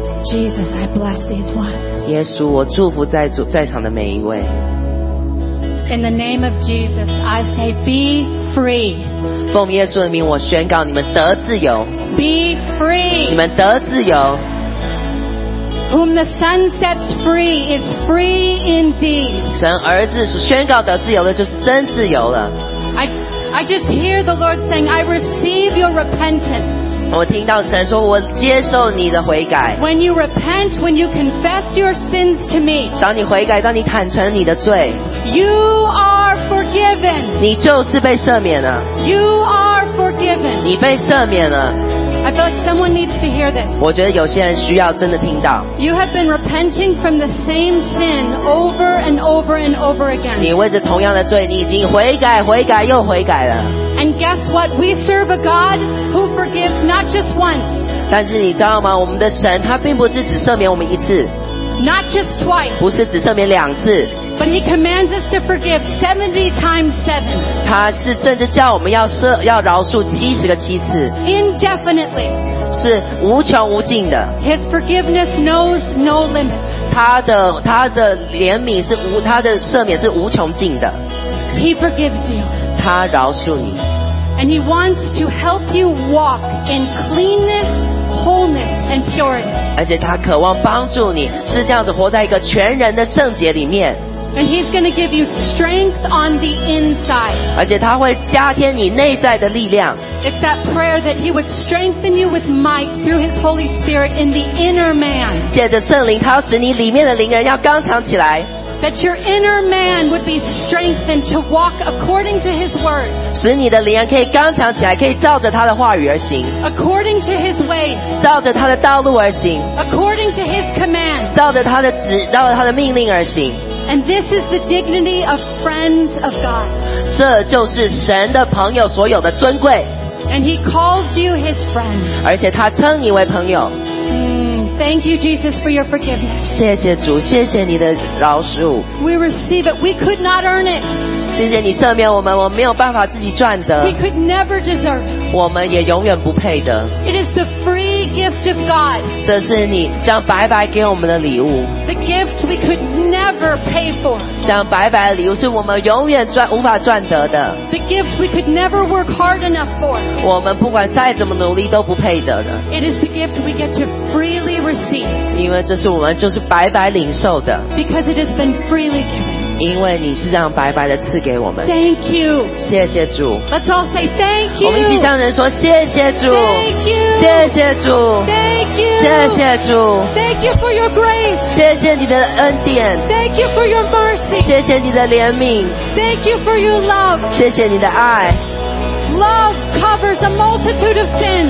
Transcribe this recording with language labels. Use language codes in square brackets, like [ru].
[en] Jesus, I bless these ones. [zh] 耶稣，我祝福在场的每一位。 [en] In the name of Jesus, I say, be free. [zh] 奉耶稣的名，我宣告你们得自由。 [en] Be free. [zh] 你们得自由。 [en] Whom the Son sets free is free indeed. [zh] 神儿子宣告得自由的，就是真自由了。 [en] I just hear the Lord saying, I receive your repentance. [zh] 我听到神说，我接受你的悔改。 [en] When you repent, when you confess your sins to me, [zh] 当你悔改，当你坦诚你的罪， [en] you are forgiven. [zh] 你就是被赦免了。 [en] You are forgiven. [zh] 你被赦免了。 [en] I feel like someone needs to hear this. [zh] 我觉得有些人需要真的听到。 [en] You have been repenting from the same sin over and over and over again. [zh] 你为着同样的罪，你已经悔改、悔改又悔改了。 [en] And guess what? We serve a God who forgives not just once. [zh] 但是你知道吗？我们的神他并不是只赦免我们一次。 [en] Not just twice. [zh] 不是只赦免两次。 [en] But He commands us to forgive 70 times 7. [zh] 他是甚至叫我们要饶恕70个七次。 [en] Indefinitely. [zh] 是无穷无尽的。 [en] His forgiveness knows no limits. [zh] 他的怜悯是无他的赦免是无穷尽的。 [en] He forgives you. [zh] 他饶恕你 [en] and he wants to help you walk in cleanness, wholeness, and purity. [zh] 而且他渴望帮助你，是这样子活在一个全人的圣洁里面。 [en] And he's going to give you strength on the inside. [zh] 而且他会加添你内在的力量。 [en] It's that prayer that he would strengthen you with might through his Holy Spirit in the inner man. [zh] 借着圣灵，他要使你里面的灵人要刚强起来。 [en] That your inner man would be strengthened to walk according to His word. [zh] 使你的灵人可以刚强起来，可以照着他的话语而行。 [en] According to His ways. [zh] 照着他的道路而行。 [en] According to His command. [zh] 照着他的旨，照着他的命令而行。 [en] And this is the dignity of friends of God. [zh] 这就是神的朋友所有的尊贵。 [en] And He calls you His friend. [zh] 而且他称你为朋友。 [en] Thank you, Jesus, for your forgiveness. [zh] 谢谢主，谢谢你的饶恕。 [en] We receive it. We could not earn it. [zh] 谢谢你赦免我们，我们没有办法自己赚得。 [en] We could never deserve it. [zh] 我们也永远不配的。 [en] It is the free gift of God. [zh] 这是你将白白给我们的礼物。 [en] The gift we could never pay for. [zh] 将白白的礼物是我们永远赚无法赚得的。 [en] The gift we could never work hard enough for. [zh] 我们不管再怎么努力都不配得的。 [en] It is the gift we get to freely receive. [zh] 因为这是我们就是白白领受的。 [en] Because it has been freely given. [zh] 因为你是这样白白的赐给我们。 [en] Thank you. [zh] 谢谢主。 [en] Let's all say thank you. [zh] 我们一起向人说谢谢主。 [en] Thank you. [zh] 谢谢主。 [en] Thank you. [zh] 谢谢主。 [en] Thank you for your grace. [zh] 谢谢你的恩典。 [en] Thank you for your mercy. [zh] 谢谢你的怜悯。 [en] Thank you for your love. [zh] 谢谢你的爱。 [en] Love covers a multitude of sins.